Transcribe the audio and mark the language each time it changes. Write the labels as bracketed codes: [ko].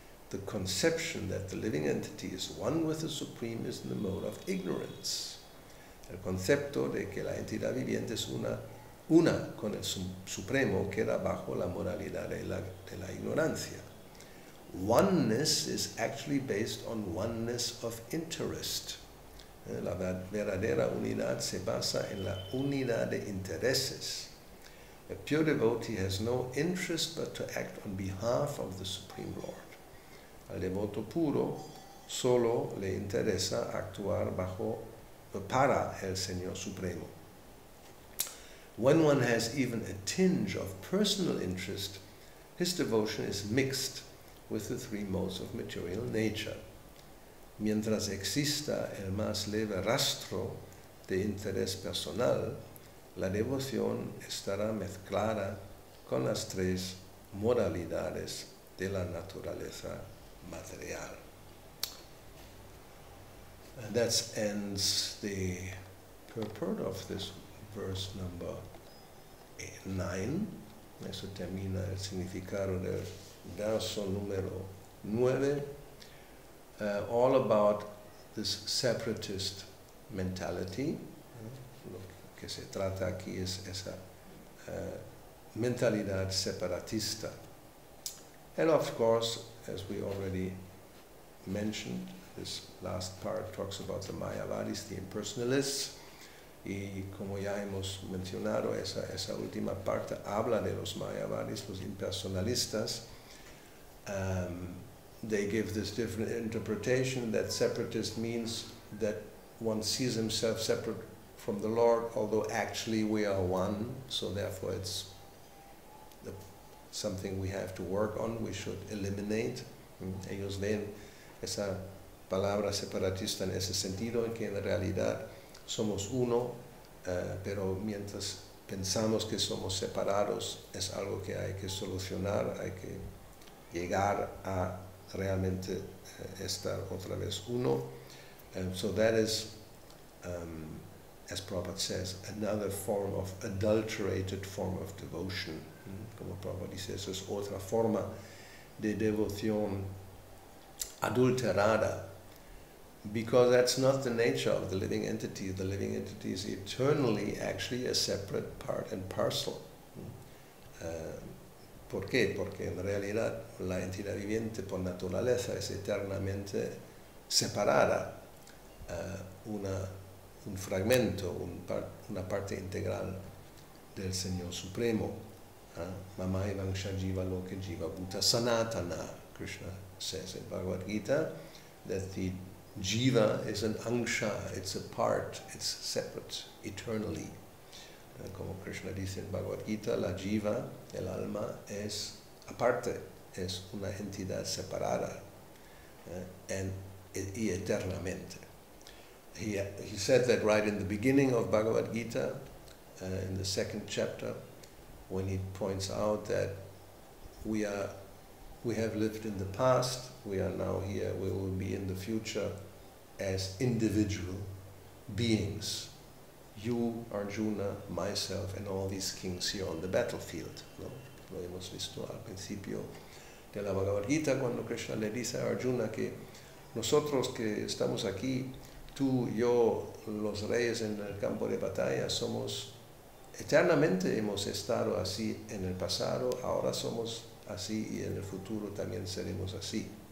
[en] The conception that the living entity is one with the Supreme is in the mode of ignorance. [es] El concepto de que la entidad viviente es una con el Supremo queda bajo la modalidad de la ignorancia. [en] Oneness is actually based on oneness of interest. [es] La verdadera unidad se basa en la unidad de intereses. [en] A pure devotee has no interest but to act on behalf of the Supreme Lord. [es] Al devoto puro solo le interesa actuar bajo para el Señor Supremo. [en] When one has even a tinge of personal interest, his devotion is mixed with the three modes of material nature. [es] Mientras exista el más leve rastro de interés personal, la devoción estará mezclada con las tres modalidades de la naturaleza material. [en] And that ends the purport of this verse number 9. [es] Eso termina el significado del verso número 9. [en] All about this separatist mentality. [es] Lo que se trata aquí es esa mentalidad separatista. [en] And of course, as we already mentioned, this last part talks about the Mayavadis, the impersonalists. [es] Y como ya hemos mencionado, esa última parte habla de los Mayavadis, los impersonalistas. [en] They give this different interpretation that separatist means that one sees himself separate from the Lord, although actually we are one. So therefore it's something we have to work on, we should eliminate. [es] Ellos ven esa palabra separatista en ese sentido, en que en realidad somos uno, pero mientras pensamos que somos separados, es algo que hay que solucionar, hay que llegar a realmente estar otra vez uno. [en] So that is, as Prabhupada says, another form of adulterated form of devotion. [es] Como Prabhupada dice, eso es otra forma de devoción adulterada. [en] Because that's not the nature of the living entity. The living entity is eternally actually a separate part and parcel. [es] ¿Por qué? Porque en realidad la entidad viviente por naturaleza es eternamente separada, un fragmento, una parte integral del Señor Supremo. [sa] Mama evangsha jiva loke jiva bhuta sanatana, [en] Krishna says in Bhagavad Gita, that the jiva is an angsha, it's a part, it's separate, eternally. [es] Como Krishna dice en Bhagavad Gita, la jiva, el alma, es aparte, es una entidad separada, y eternamente. [en] He said that right in the beginning of Bhagavad Gita, in the second chapter, when he points out that we have lived in the past, we are now here, we will be in the future as individual beings. You, Arjuna, myself, and all these kings here on the battlefield. [es] No? Lo hemos visto al principio de la Bhagavad Gita, cuando Krishna le dice a Arjuna que nosotros que estamos aquí, tú, yo, los reyes en el campo de batalla, somos eternamente hemos estado así en el pasado, ahora somos así y en el futuro también seremos así.